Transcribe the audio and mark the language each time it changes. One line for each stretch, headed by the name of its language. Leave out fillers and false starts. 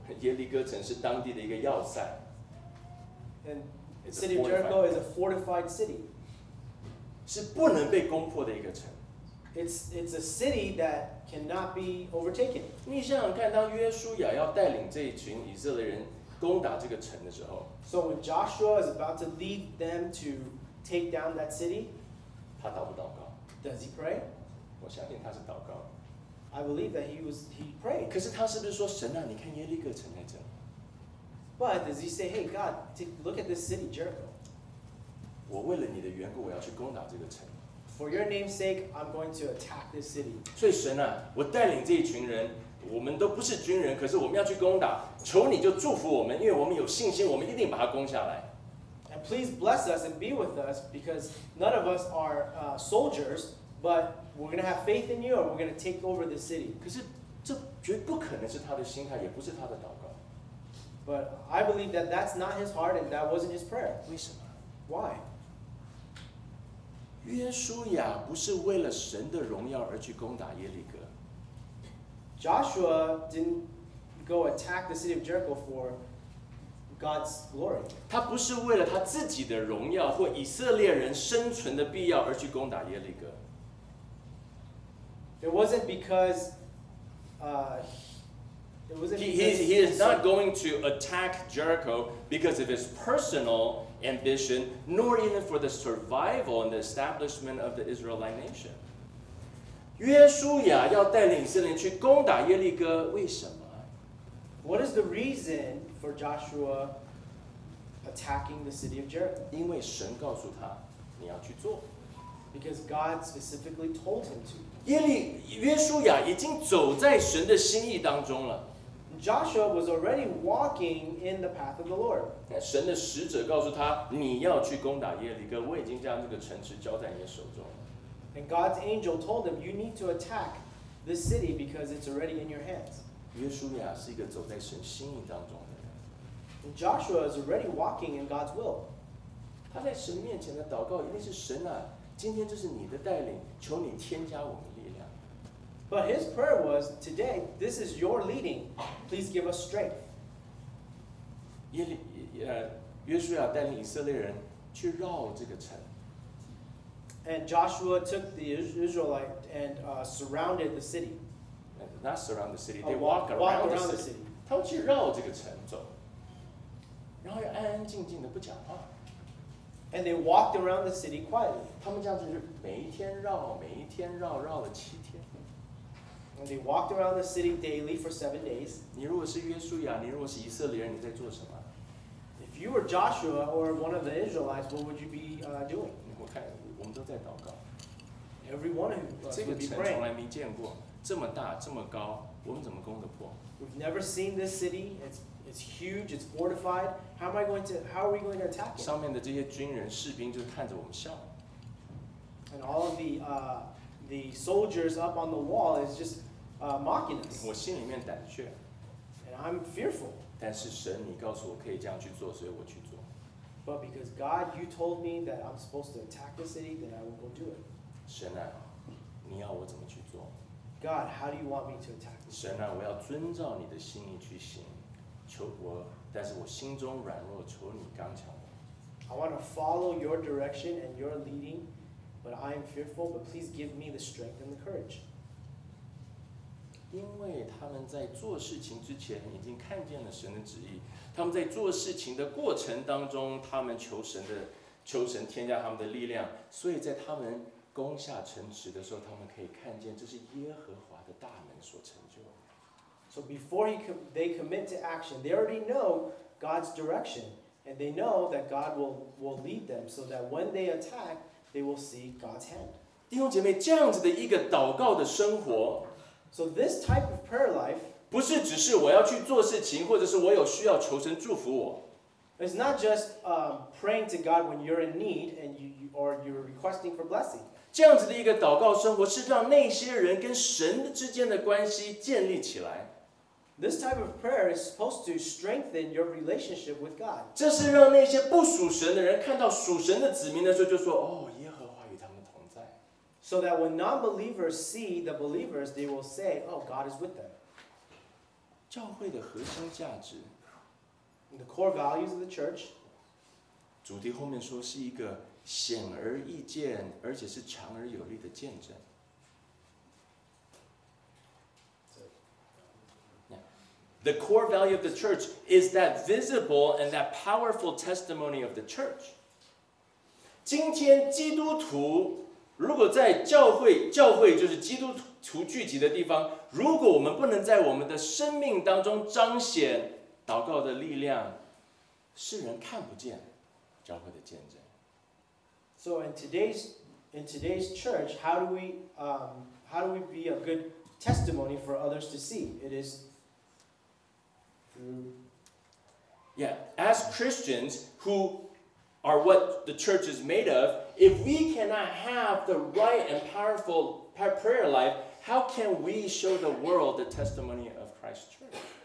Chinese: 耶利哥城是当地的一个要塞。
English: And the city of Jericho is a fortified city.
Chinese: 是不能被攻破的一个城。
English: It's a city that cannot be overtaken.
Chinese: 你想想看，当约书亚要带领这一群以色列人攻打这个城的时候
English: ，So when Joshua is about to lead them to take down that city，
Chinese: 他祷不祷告
English: ？Does he pray？
Chinese: 我相信他是祷告。
English: I believe that he prayed。
Chinese: 可是他是不是说神啊，你看耶利哥城在这
English: ？But does he say, "Hey God, look at this city, Jericho"？
Chinese: 我为了你的缘故，我要去攻打这个城。
English: For your name's sake, I'm going to attack this city。
Chinese: 所以神啊，我带领这一群人我们都不是军人，可是我们要去攻打，求你就祝福我们，因为我们有信心，我们一定把它攻下来。
English: And please bless us and be with us because none of us are soldiers, but we're going to have faith in you or we're going to take over the city.
Chinese: 可是这绝不可能是他的心态，也不是他的祷告。
English: But I believe that that's not his heart and that wasn't his prayer.
Chinese: 为什么？
English: Why?
Chinese: 约书亚不是为了神的荣耀而去攻打耶利哥。
English: Joshua didn't go attack the city of Jericho for God's glory.
Chinese: 他不是为了他自己的荣耀或以色列人生存的必要而去攻打耶利哥。
English: It wasn't because He is not going to attack Jericho because of his personal ambition, nor even for the survival and the establishment of the Israelite nation.
Chinese: 约书亚要带领以色列去攻打耶利哥，为什么？
English: What is the reason for Joshua attacking the city of Jericho?
Chinese: 因为神告诉他你要去做。
English: Because God specifically told him to.
Chinese: 约书亚已经走在神的心意当中了。
English: Joshua was already walking in the path of the Lord.
Chinese: 神的使者告诉他，你要去攻打耶利哥，我已经将这个城池交在你的手中。
English: And God's angel told him, you need to attack this city because it's already in your hands.
Chinese: 约书亚是一个走在神心意当中的人。
English: And Joshua is already walking in God's will.
Chinese: 他在神面前的祷告一定是，神啊，今天这是你的带领，求你添加我们。
English: But his prayer was, today, this is your leading. Please give us strength.
Chinese: 约书亚带领以色列人去绕这个城。
English: And Joshua took the Israelite and surrounded the city. Not surround the city, they walk around the city.
Chinese: 他们去绕这个城走。然后安安静静的不讲话。
English: And they walked around the city quietly.
Chinese: 他们这样子是每一天绕，每一天绕，绕了七天。
English: And they walked around the city daily for 7 days.
Chinese: 你如果是约书亚，你如果是以色列人，你在做什么？
English: If you were Joshua or one of the Israelites, what would you be doing?
Chinese: 我看我们都在祷告。
English: Every one of us would be praying.
Chinese: 这个城从来没见过，这么大，这么高，我们怎么攻得破？
English: We've never seen this city. It's huge. It's fortified. How are we going to attack it?
Chinese: 上面的这些军人士兵就看着我们笑。
English: And all of the soldiers up on the wall is just mocking us.
Chinese: 我心里面胆怯。
English: And I'm fearful.
Chinese: 但是神，你告诉我可以这样去做，所以我去做。
English: But because God, you told me that I'm supposed to attack the city, then I will go do it.
Chinese: 神啊，你要我怎么去做？
English: God, how do you want me to attack?
Chinese: 神啊，我要遵照你的心意去行，求我，但是我心中软弱，求你刚强我。
English: I want to follow your direction and your leading. But I am fearful, but please give me the strength and the courage.
Chinese: 因为他们在做事情之前已经看见了神的旨意，他们在做事情的过程当中，他们求神添加他们的力量，所以在他们攻下城池的时候，他们可以看见这是耶和华的大能所成就。
English: So before they commit to action, they already know God's direction, and they know that God will lead them so that when they attack,They will see God's hand.
Chinese: 弟兄姐妹，这样子的一个祷告的生活
English: ，So this type of prayer life
Chinese: 不是只是我要去做事情，或者是我有需要求神祝福我。
English: It's not just praying to God when you're in need and you're requesting for blessing.
Chinese: 这样子的一个祷告生活是让那些人跟神之间的关系建立起来。
English: This type of prayer is supposed to strengthen your relationship with God.
Chinese: 这是让那些不属神的人看到属神的子民的时候，就说：“哦，耶和华与他们同在。”
English: So that when non-believers see the believers, they will say, "Oh, God is with them."
Chinese: 教会的核心价值
English: ，the core values of the church.
Chinese: 主题后面说是一个显而易见，而且是强而有力的见证。
English: The core value of the church is that visible and that powerful testimony of the church.
Chinese: 今天基督徒如果在教会就是基督徒聚集的地方，如果我们不能在我们的生命当中彰显祷告的力量，世人看不见教会的见证。
English: So in today's church, how do we be a good testimony for others to see. It is through. Yeah, as Christians who are what the church is made of, if we cannot have the right and powerful prayer life, how can we show the world the testimony of Christ's church?